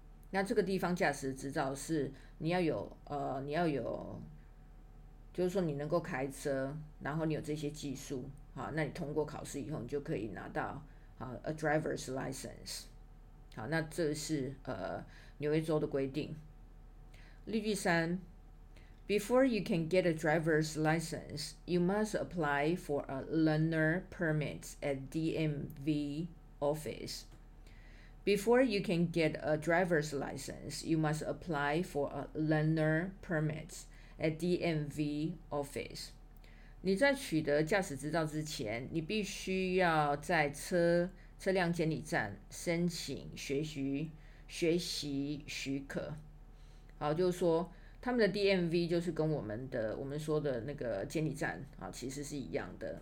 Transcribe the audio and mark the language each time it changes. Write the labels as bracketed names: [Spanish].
[Chinese] 那这个地方驾驶执照是你要有你要有，就是说你能够开车，然后你有这些技术，好，那你通过考试以后，你就可以拿到 [English] A driver's license. [Chinese] 好，那这是纽约州的规定。例句三 [English] ：Before you can get a driver's license, you must apply for a learner permit at DMV office. Before you can get a driver's license, you must apply for a learner permit at DMV office. [Chinese] 你在取得驾驶执照之前，你必须要在车辆监理站申请学习许可。好，就是说他们的 DMV 就是跟我们说的那个监理站啊，其实是一样的。